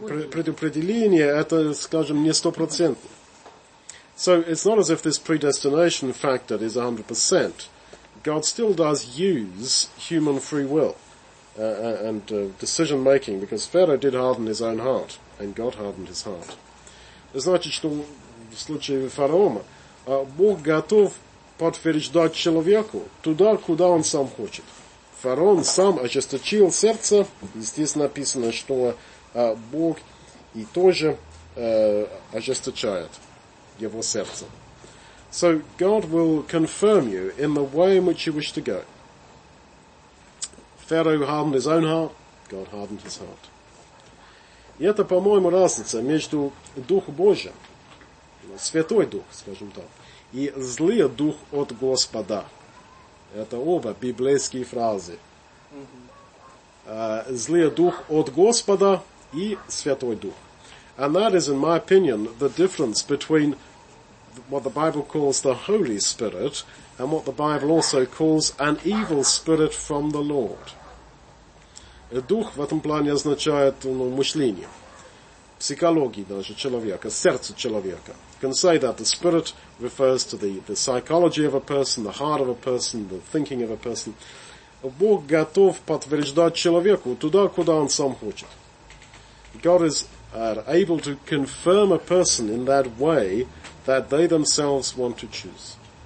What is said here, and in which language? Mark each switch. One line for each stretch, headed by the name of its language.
Russian: Предопределение это, скажем, не стопроцентно.
English: So it's not as if this predestination factor is 100%. God still does use human free will. Decision making, because Pharaoh did harden his own heart, and God hardened his heart.
Russian: Значит, что в случае фараона Бог готов подтверждать человеку туда, куда он сам хочет. Фараон сам ожесточил сердце, естественно, написано, что Бог и тоже ожесточает его сердце.
English: So God will confirm you in the way in which you wish to go. Pharaoh hardened his own heart, God hardened his heart.
Russian: И это, по-моему, разница между Духом Божьим, Святой Дух, скажем так, и злый Дух от Господа. Это оба библейские фразы. Злый Дух от Господа и Святой Дух.
English: And that is, in my opinion, the difference between what the Bible calls the Holy Spirit and what the Bible also calls an evil spirit from the Lord.
Russian: Дух в этом плане означает мышление, психологию даже человека, сердце человека.
English: You can say that the spirit refers to the psychology of a person, the heart of a person, the thinking of a person.
Russian: Бог готов подтверждать человеку туда, куда он сам хочет.
English: God is able to confirm a person in that way that they themselves want to choose.